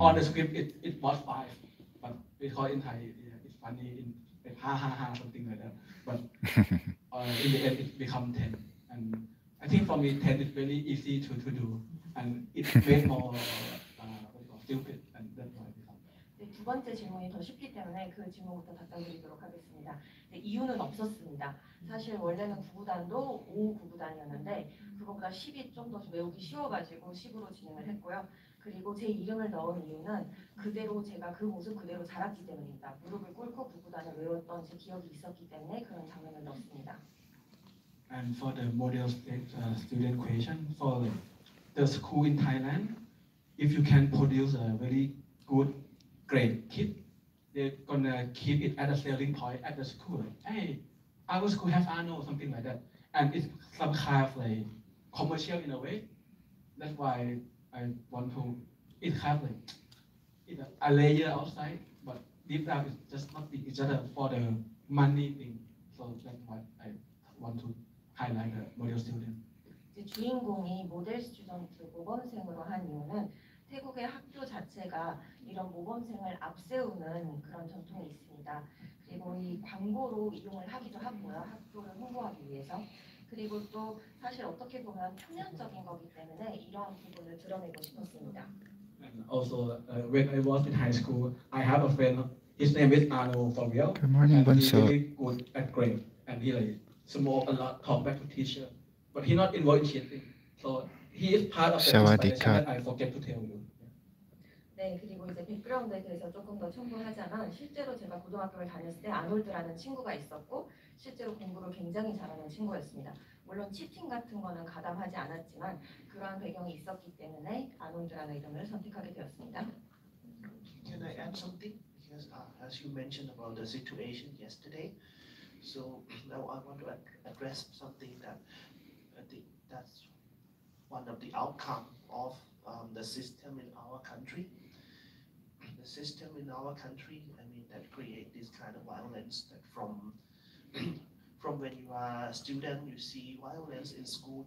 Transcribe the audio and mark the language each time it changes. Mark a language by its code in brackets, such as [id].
[en] On the script, it was 5. But because in Thai, yeah, it's funny, in like, ha ha ha, something like that. But in the end, it become 10. And I think for me, 10 is very easy to do. And it's way more stupid. And that's why it becomes 10. [ko] 두 번째 질문이 더 쉽기 때문에 그 질문부터 답변드리도록 하겠습니다. 이유는 없었습니다. 사실 원래는 99단도 5-99단이었는데 그것보다 10이 좀 더 외우기 쉬워가지고 10으로 진행을 했고요. 그리고 제 이름을 넣은 이유는 그대로 제가 그 모습 그대로 자랐기 때문입니다. 무릎을 꿇고 99단을 외웠던 제 기억이 있었기 때문에 그런 장면을 넣습니다. [en] And for the model student question, for the school in Thailand, if you can produce a very good grade kid, they're gonna keep it at a selling point at the school. Hey, our school has Arnold, something like that. And it's some kind of like commercial in a way. That's why I want to, it has like a layer outside, but deep down it's just not the, it's just for the money thing. So that's why I want to highlight the model student. [ko] The 주인공이 모델 스튜던트 모범생으로 한 이유는 태국의 학교 자체가 이런 모범생을 앞세우는 그런 전통이 있습니다. 그리고 이 광고로 이용을 하기도 하고요. 학교를 홍보하기 위해서. 그리고 또 사실 어떻게 보면 표면적인 거기 때문에 이러한 부분을 드러내고 싶었습니다. [en] And also, when I was in high school, I have a friend. His name is Arnold from Rio. Good morning, Bunso. He's really good at grade. And he like small a lot compared to teacher. But he's not involved in cheating. So, he is part of the society that I forget to tell you. [ko] 네, 그리고 이제 백그라운드에 대해서 조금 더 첨부하자면 실제로 제가 고등학교를 다녔을 때 아놀드라는 친구가 있었고 실제로 공부를 굉장히 잘하는 친구였습니다. 물론 치팅 같은 거는 가담하지 않았지만 그러한 배경이 있었기 때문에 아놀드라는 이름을 선택하게 되었습니다. [en] Can I add something? Because as you mentioned about the situation yesterday, so now I want to address something that I think that's one of the outcome of the system in our country. The system in our country, I mean, that create this kind of violence that from when you are a student, you see violence in school.